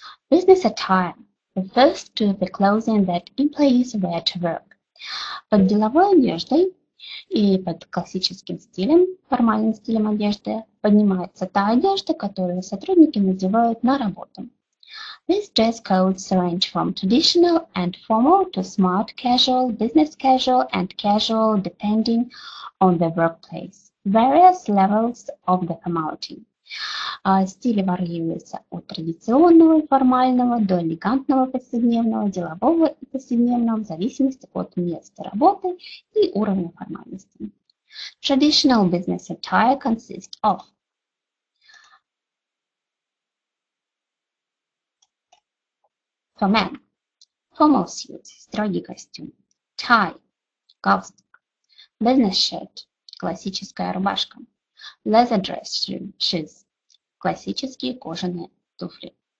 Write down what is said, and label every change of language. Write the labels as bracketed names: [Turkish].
[English] Business attire refers to the clothing that employees wear to work. [Russian] Под деловой одеждой и под классическим стилем, формальным стилем одежды, поднимается та одежда, которую сотрудники надевают на работу. [English] These dress codes range from traditional and formal to smart casual, business casual and casual, depending on the workplace. Various levels of the formality. [Russian] Стили варьируются от традиционного и формального до элегантного повседневного, делового и повседневного, в зависимости от места работы и уровня формальности. [English] Traditional business attire consists of for men, formal suit, [Russian] строгий костюм, [English] tie, [Russian] галстук, [English] business shirt, [Russian] классическая рубашка, [English] leather dress shoes, [Russian] классические кожаные туфли.